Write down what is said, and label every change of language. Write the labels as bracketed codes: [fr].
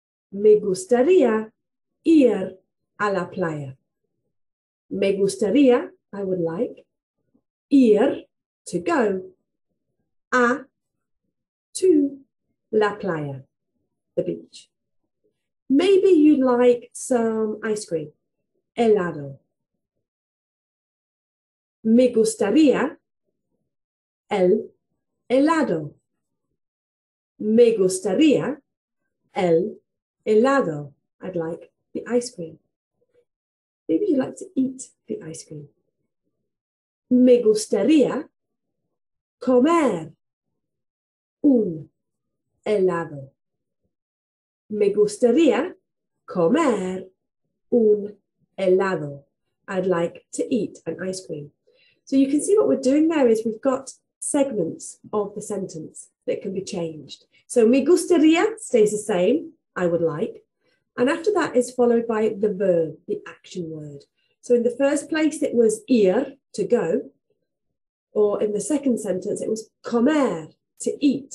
[es] Me gustaría ir a la playa. Me gustaría, [en] I would like, ir, to go, a, to la playa, the beach. Maybe you'd like some ice cream, helado. [es] Me gustaría el helado. Me gustaría el helado. [en] I'd like the ice cream. Maybe you'd like to eat the ice cream. [es] Me gustaría comer un helado. Me gustaría comer un helado. [en] I'd like to eat an ice cream. So you can see what we're doing there is we've got segments of the sentence that can be changed. So me gustaría stays the same, I would like. And after that is followed by the verb, the action word. So in the first place, it was ir, to go. Or in the second sentence, it was comer, to eat.